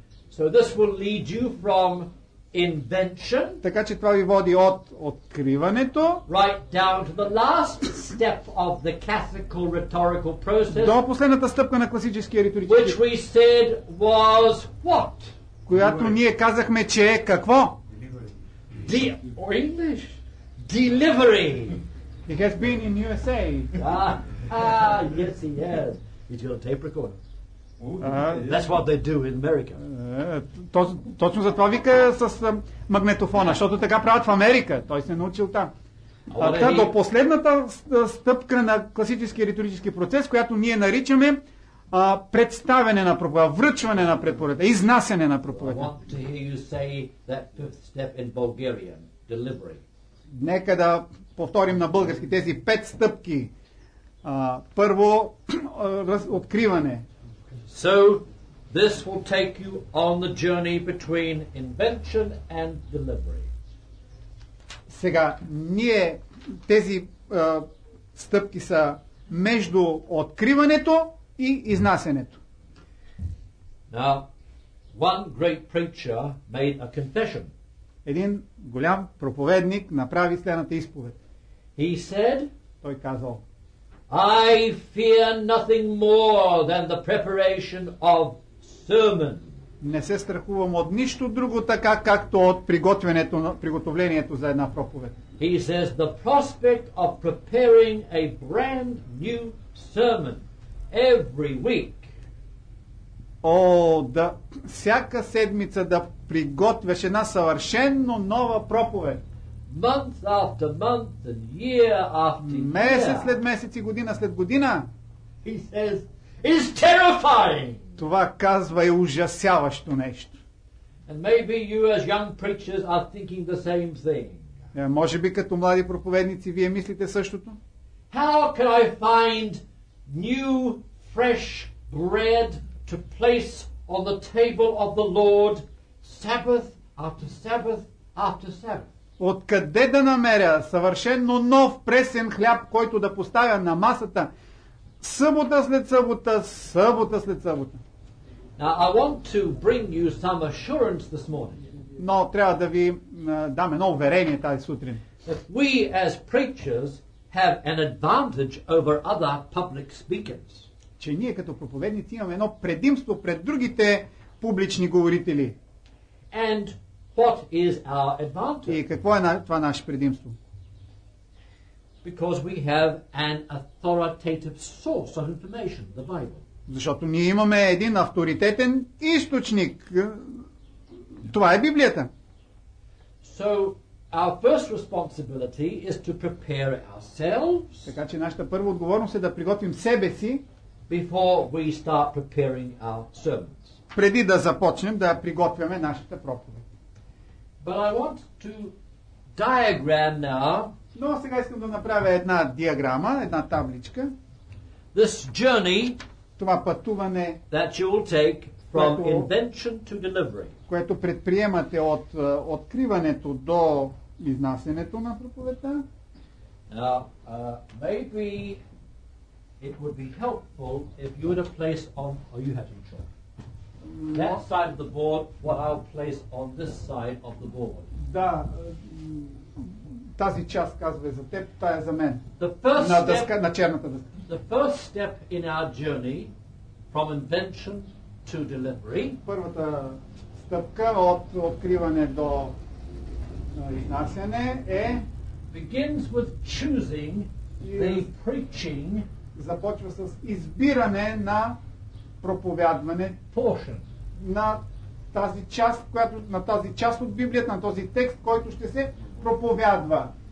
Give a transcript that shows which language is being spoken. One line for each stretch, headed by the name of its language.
English: So this will lead you from invention.
Bulgarian: Така че това ви води от откриването.
English: Right down to the last step of the classical rhetorical process.
Bulgarian: До последната стъпка на класическия риторически.
English: Which we said was what?
Bulgarian: Която ние казахме, че е какво?
English: Delivery. English. Delivery. It has been in USA. Yes, he has. It's your tape recorder. That's what they do in America.
Bulgarian: Точно за това вика с магнетофона, защото така правят в Америка. Той се е научил там. До последната стъпка на класическия риторически процес, която ние наричаме представяне на проповед, връчване на проповед, изнасяне на проповед.
English: I want to hear you say that fifth step in Bulgarian, delivery.
Bulgarian: Нека да повторим на български тези пет стъпки. Първо, откриване.
English: So this will take you on the journey between invention and delivery.
Bulgarian: Сега ние тези стъпки са между откриването и изнасянето.
English: Now, one great preacher made a confession.
Bulgarian: един голям проповедник направи следната изповед.
English: He said,
Bulgarian: той казал,
English: I fear nothing more than the preparation of sermon.
Bulgarian: Не се страхувам от нищо друго така, както от приготовлението за една проповед.
English: He says, the prospect of preparing a brand new sermon every week.
Bulgarian: О, да всяка седмица да приготвяш една съвършенно нова проповед.
English: Month after month and year after year.
Bulgarian: Месец след месец и година след година.
English: He says, is terrifying.
Bulgarian: Това казва е ужасяващо нещо.
English: And maybe you as young preachers are thinking the same thing.
Bulgarian: Може би като млади проповедници вие мислите същото.
English: How can I find new fresh bread to place on the table of the Lord Sabbath after Sabbath after Sabbath.
Bulgarian: Откъде да намеря съвършенно нов пресен хляб, който да поставя на масата събота след събота, събота след събота.
English: Now I want to bring you some assurance this morning.
Bulgarian: Но трябва да ви дам едно уверение тази сутрин.
English: That we as preachers have an advantage over other public speakers.
Bulgarian: Че ние като проповедници имаме едно предимство пред другите публични говорители.
English: And what is our advantage?
Bulgarian: И какво е това наше предимство?
English: Because we have an authoritative source of information, the Bible.
Bulgarian: Защото ние имаме един авторитетен източник. Това е Библията.
English: So our first responsibility is to prepare ourselves.
Bulgarian: Така че нашата първа отговорност е да приготвим себе си.
English: Before we start preparing our sermons.
Bulgarian: Преди да започнем да приготвяме нашата проповед.
English: But I want to diagram now.
Bulgarian: Но сега искам да направя една диаграма, една табличка.
English: This journey,
Bulgarian: това пътуване,
English: that you will take from invention to delivery.
Bulgarian: Което предприемате от откриването до изнасянето на проповедта.
English: Now, maybe it would be helpful if you would place on, or you have to choose. That side of the board, what I'll place on this side of the board.
Bulgarian: Да, тази част казва за теб, тая за мен.
English: The first
Bulgarian: на дъска, на черната дъска.
English: The first step in our journey from invention to delivery.
Bulgarian: Първата стъпка от откриване до изнасяне е
English: begins with choosing the preaching.
Bulgarian: Започва с избиране на проповядване
English: portion.
Bulgarian: На тази част, която, на тази част от Библията, на този текст, който ще се проповядва.